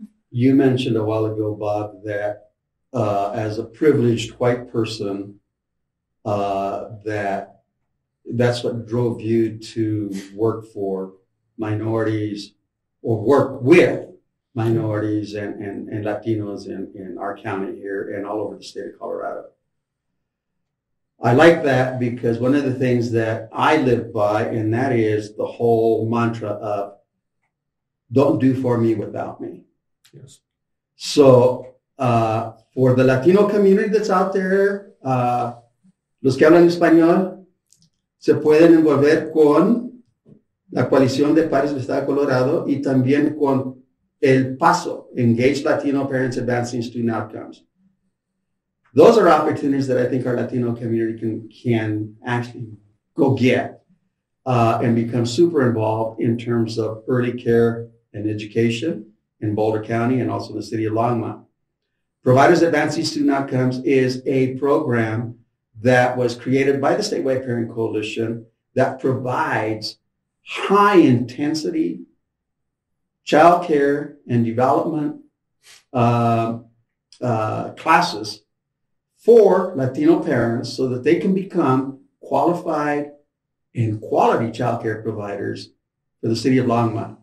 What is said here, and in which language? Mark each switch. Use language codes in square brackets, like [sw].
[en] You mentioned a while ago, Bob, that as a privileged white person, that's what drove you to work for minorities or work with minorities and Latinos in our county here and all over the state of Colorado. I like that because one of the things that I live by, and that is the whole mantra of don't do for me without me. Yes. So for the Latino community that's out there, [es] los que hablan español, se pueden envolver con la coalición de padres del estado de Colorado y también con el PASO, Engage Latino Parents Advancing Student Outcomes. [en] Those are opportunities that I think our Latino community can actually go get and become super involved in terms of early care and education in Boulder County and also the city of Longmont. Providers Advancing Student Outcomes is a program that was created by the Statewide Parent Coalition that provides high intensity child care and development classes for Latino parents so that they can become qualified and quality child care providers for the city of Longmont.